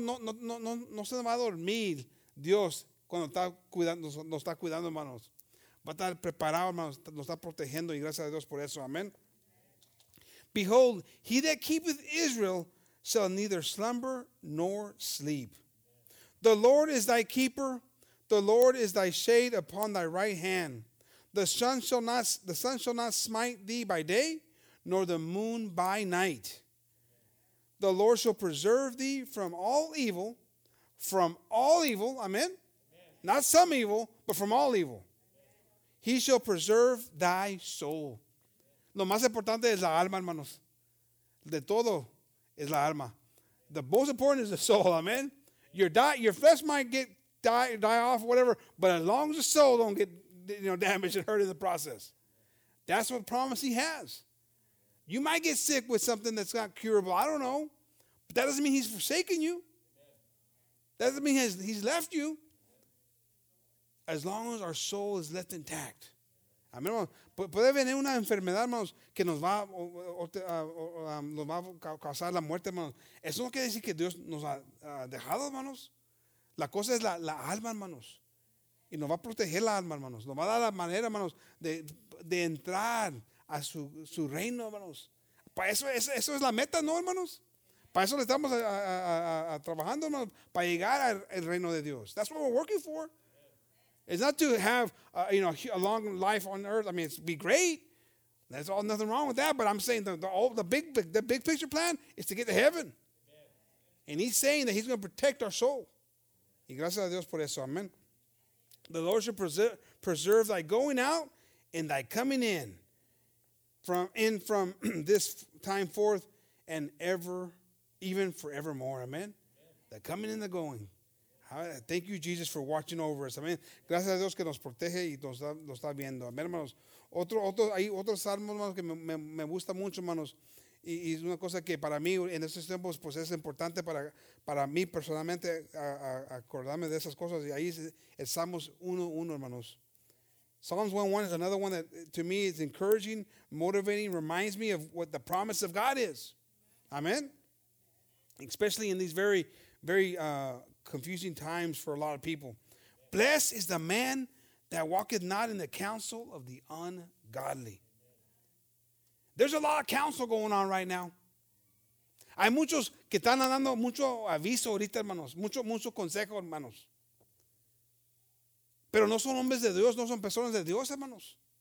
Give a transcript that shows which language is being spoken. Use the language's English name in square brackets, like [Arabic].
[Spanish] No se va a dormir Dios cuando nos está cuidando, hermanos. Va a estar preparado, hermanos, nos está protegiendo, y gracias a Dios por eso. Amén. [English] Behold, he that keepeth Israel shall neither slumber nor sleep. The Lord is thy keeper. The Lord is thy shade upon thy right hand. The sun shall not smite thee by day, nor the moon by night. The Lord shall preserve thee from all evil. From all evil, amen. Not some evil, but from all evil. He shall preserve thy soul. [Spanish] Lo más importante es la alma, hermanos. De todo es la alma. [English] The most important is the soul, amen. Your flesh might get die off, whatever, but as long as the soul don't get you know, damaged and hurt in the process. That's what promise he has. You might get sick with something that's not curable. I don't know. But that doesn't mean he's forsaken you. That doesn't mean he's left you. As long as our soul is left intact. [Spanish] Amén. Puede venir una enfermedad, hermanos, que nos va a causar la muerte, hermanos. Eso no quiere decir que Dios nos ha dejado, hermanos. La cosa es la alma, hermanos. Y nos va a proteger la alma, hermanos. Nos va a dar la manera, hermanos, de entrar a su reino, hermanos. Para eso es la meta, ¿no, hermanos? Para eso le estamos a trabajando, hermanos, para llegar al reino de Dios. [English] That's what we're working for. It's not to have a long life on earth. I mean, it's be great. There's all nothing wrong with that. But I'm saying the big picture plan is to get to heaven. And he's saying that he's going to protect our soul. [Spanish] Y gracias a Dios por eso. [English] Amen. The Lord should preserve thy going out and thy coming in from this time forth and ever, even forevermore. Amen. The coming and the going. Thank you, Jesus, for watching over us. Amen. [Spanish] Gracias a Dios que nos protege y nos está viendo. Amen, hermanos. Hay otro salmo, hermanos, que me gusta mucho, hermanos. Y es una cosa que para mí en estos tiempos pues es importante para mí personalmente acordarme de esas cosas. Y ahí es Salmos 1:1, hermanos. [English] Psalms 1:1 is another one that to me is encouraging, motivating, reminds me of what the promise of God is. Amen. Especially in these very, very confusing times for a lot of people. Blessed is the man that walketh not in the counsel of the ungodly. There's a lot of counsel going on right now. [Spanish] Hay muchos que están dando mucho aviso ahorita, hermanos. Mucho consejo, hermanos. Pero no son hombres de Dios, no son personas de Dios, hermanos.